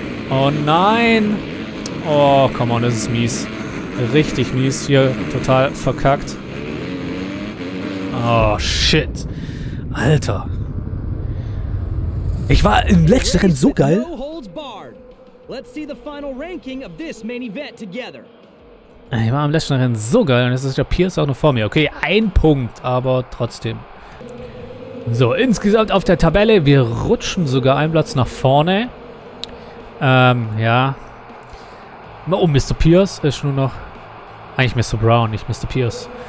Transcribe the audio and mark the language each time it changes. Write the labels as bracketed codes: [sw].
[de] Oh nein! Oh, [en] come on, [de] das ist mies. Richtig mies. Hier total verkackt. Oh, shit. Alter. Ich war im letzten Rennen so geil. [en] No holds barred. Let's see the final ranking of this main event together. [de] Ich war im letzten Rennen so geil und jetzt ist der Pierce auch noch vor mir. Okay, ein Punkt, aber trotzdem. So, insgesamt auf der Tabelle, wir rutschen sogar einen Platz nach vorne. Ja. Oh, Mr. Pierce ist nur noch. Eigentlich Mr. Brown, nicht Mr. Pierce.